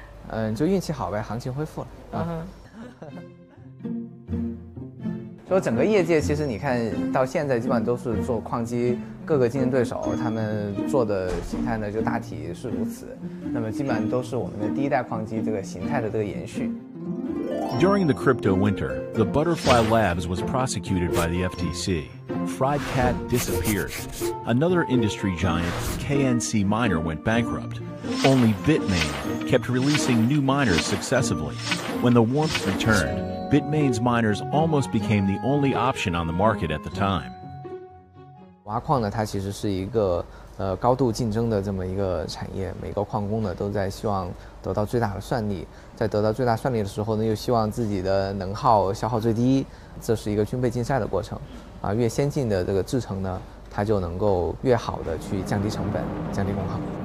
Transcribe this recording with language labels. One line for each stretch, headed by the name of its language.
Chinese: 嗯，就运气好呗，行情恢复了。说整个业界，其实你看到现在基本上都是做矿机，各个竞争对手他们做的形态呢，就大体是如此。那么基本上都是我们的第一代矿机这个形态的这个延续。
English: During the crypto winter, the Butterfly Labs was prosecuted by the FTC. Fried Cat disappeared. Another industry giant, KNC Miner, went bankrupt. Only Bitmain kept releasing new miners successively. When the warmth returned, Bitmain's miners almost became the only option on the market at the time.
Chinese: 挖矿呢，它其实是一个高度竞争的这么一个产业，每个矿工呢都在希望得到最大的算力，在得到最大算力的时候呢，又希望自己的能耗消耗最低，这是一个军备竞赛的过程，啊，越先进的这个制程呢，它就能够越好的去降低成本，降低功耗。